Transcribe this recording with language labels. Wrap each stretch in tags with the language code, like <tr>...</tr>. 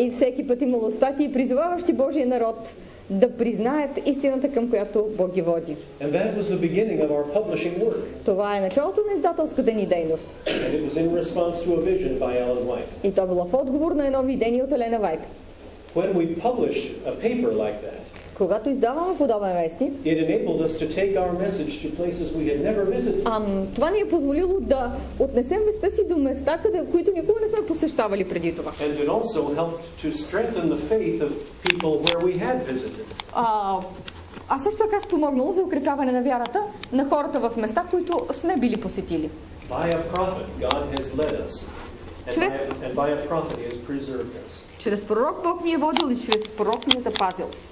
<bg>И всеки път имало статии, призоваващи Божия народ да признаят истината, към която Бог ги води.</bg> <en>And that was the beginning of our publishing work.</en> <bg>Това е началото на издателската ни дейност.</bg> <en>And it was in response to a vision by Ellen White.</en> <bg>И то било в отговор на едно видение от Елена Вайт.</bg> <en>When we published a paper like that,</en> <bg>когато издаваме подобен вестник,</bg> <en>it enabled us to take our message to places we had never visited.</en> <bg>Това ни е позволило да отнесем веста си до места, които никога не сме посещавали преди това.</bg> <en>And it also helped to strengthen the faith of people where we had visited.</en> <bg>А също така спомогнало за укрепяване на вярата на хората в места, които сме били посетили.</bg> <en>By a prophet, God has led us. And by a prophet, he has preserved us.</en> <bg>Чрез пророк Бог ни е водил и чрез пророк ни е запазил.</bg>